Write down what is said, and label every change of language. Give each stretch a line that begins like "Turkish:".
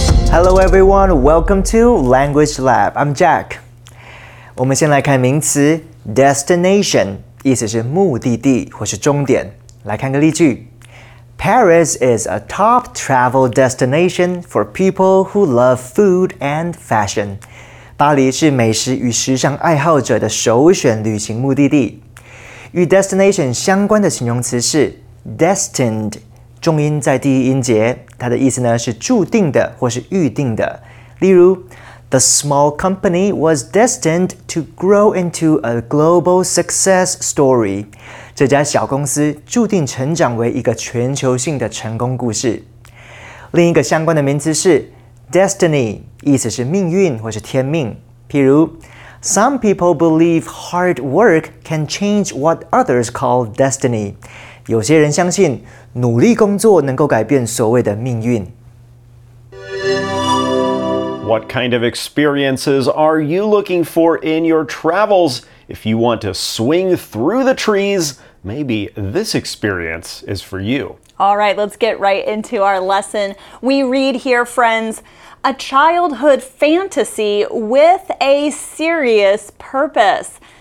English: Hello everyone, welcome to Language Lab. I'm Jack.
Chinese: 我们先来看名词 destination， 意思是目的地或是终点。来看个例句。
English: Paris is a top travel destination for people who love food and fashion.
Chinese: 巴黎是美食与时尚爱好者的首选旅行目的地。与 destination 相关的形容词是 destined，重音在第一音节，它的意思呢是注定的或是预定的。例如
English: ，The small company was destined to grow into a global success story。
Chinese: 这家小公司注定成长为一个全球性的成功故事。另一个相关的名词是 destiny， 意思是命运或是天命。譬如
English: ，Some people believe hard work can change what others call destiny。
Chinese: 有些人相信努力工作能够改变所谓的命运。
English: What kind of experiences are you looking for in your travels? If you want to swing through the trees, maybe this experience is for you. All right, let's get right into our lesson. We read here, friends, a childhood fantasy with a serious purpose.